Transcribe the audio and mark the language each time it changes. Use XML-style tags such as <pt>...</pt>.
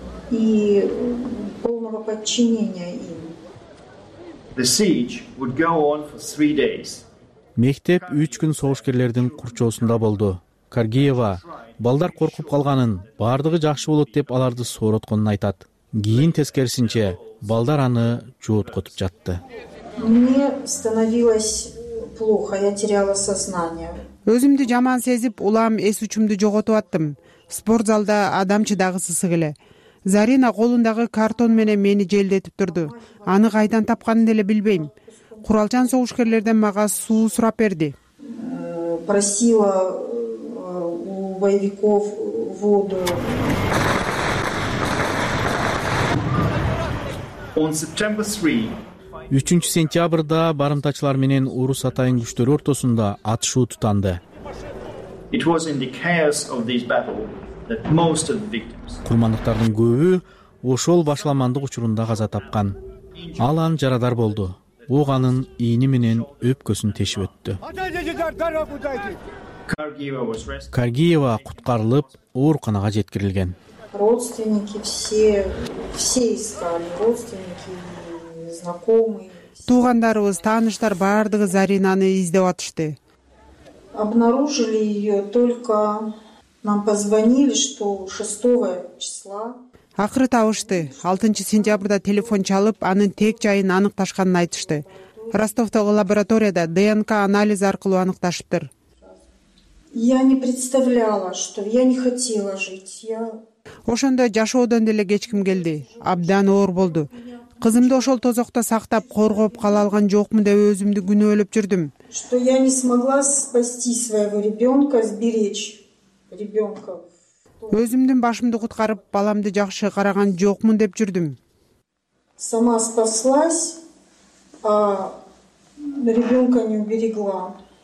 <ru>и полного подчинения им.</ru> <en>The siege would go on for 3 days.</en> <ky>Мектеп 3 күн соғышкерлердин курчоосунда болду. Каргиева балдар коркуп калганын, бардыгы жакшы болот деп аларды сооротконун айтат. Кийин тескерисинче балдар аны жооткотуп жатты.</ky> <ru>Мне становилось плохо, я теряла сознание.</ru> <ky>Өзүмдү жаман сезип, улам эс учумду жоготуп аттым. Спорт залда адам чыдагысыз эле. Зарина колундагы картон менен мени желдетип турду. Аны кайдан тапканын деле билбейм. Куралчан согушкерлерден мага суу сурап берди.</ky> <ru>Просила у боевиков воду.</ru> <en>On September 3.</en> <ky>3 сентябрда барымтачылар менен орус атайын күчтөрү ортосунда атышуу тутанды.</ky> <en>It was in the chaos of this battle that most of the victims.</en> <ky>Курмандыктардын көбү ошол башламандык учурунда каза тапкан. Алан жарадар болду. Ууганын ийни менен өпкөсүн тешип өттү. Каргиева куткарылып, ооруканага жеткирилген.</ky> <ru>Родственники все искали, родственники, знакомые.</ru> <ky>Туугандарыбыз, тааныштар баардыгы Заринаны издеп атышты.</ky> <ru>Обнаружили её только нам позвонили, что 6-го числа.</ru> <ky>Акыры табышты. 6 сентябрда телефон чалып, анын тек жайын аныкташканын айтышты. Ростовтогу лабораторияда ДНК анализ аркылуу аныкташыптыр.</ky> <ru>Я не представляла, что я не хотела жить. Я</ru> <ky>ошондо жашоодон деле кечким келди. Абдан оор болду. Кызымды ошол тозокто сактап, коргоп кала алган жокмун деп өзүмдү күнөөлөп жүрдүм.</ky> <ru>Что я не смогла спасти своего ребёнка, сберечь ребёнка.</ru> <ky>Өзүмдүн башымды куткарып, баламды жакшы караган жокмун деп жүрдүм.</ky> <ru>Сама спаслась, а ребёнка не уберегла.</ru>